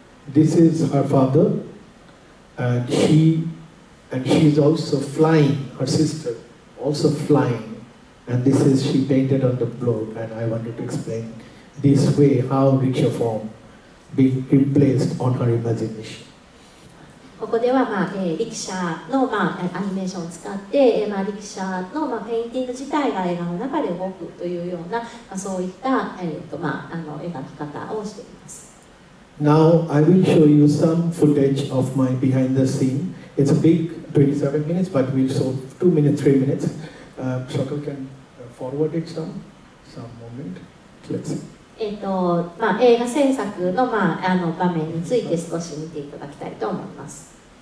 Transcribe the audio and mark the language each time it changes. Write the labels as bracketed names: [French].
[English] This is her father. And she's also flying, her sister also flying, and this is she painted on the globe, and I wanted to explain this way how richer form being replaced on her imagination. [Japanese] ここでは、まあ力車の、まあ、アニメーションを使って、まあ、力車の、まあ、ペインティング自体が映画の中で動くというような、まあ、そういった、まあ、描き方をしています。 [English] Now I will show you some footage of my behind the scene. It's a big 27 minutes, but we'll show 2 minutes, 3 minutes. Shokal can forward it some moment. Let's see. [Japanese] まあ、映画制作の、まあ、場面について少し見ていただきたいと思います。